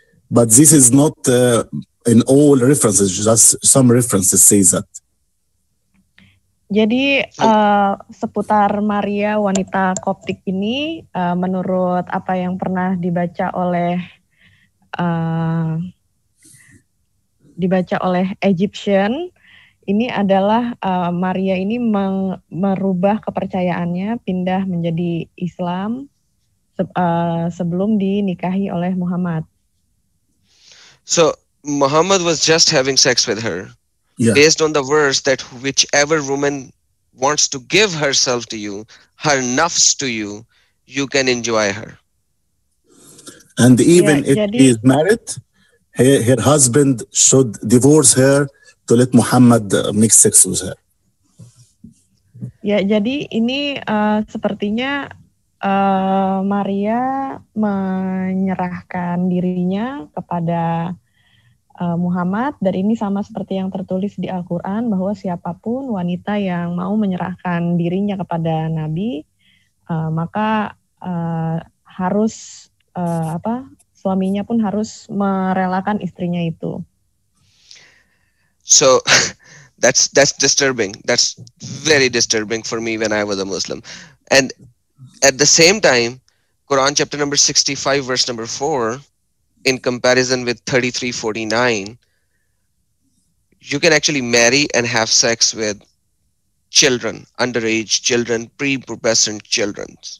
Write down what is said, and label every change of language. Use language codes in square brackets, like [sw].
[en] But this is not in all references, just some references say that. [id] Jadi seputar Maria wanita Koptik ini, menurut apa yang pernah dibaca oleh Egyptian, ini adalah Maria ini merubah kepercayaannya, pindah menjadi Islam sebelum dinikahi oleh Muhammad. [en] So Muhammad was just having sex with her, yeah. Based on the verse that whichever woman wants to give herself to you, her nafs to you, you can enjoy her. And even if she is married, her husband should divorce her to let Muhammad mix sex with her. [id] Ya, jadi ini sepertinya Maria menyerahkan dirinya kepada Muhammad, dan ini sama seperti yang tertulis di Al-Quran, bahwa siapapun wanita yang mau menyerahkan dirinya kepada Nabi, maka harus suaminya pun harus merelakan istrinya itu. [en] So that's disturbing. That's very disturbing for me when I was a Muslim. And at the same time, Quran chapter number 65, verse number 4, in comparison with 33:49, you can actually marry and have sex with children, underage children, prepubescent children.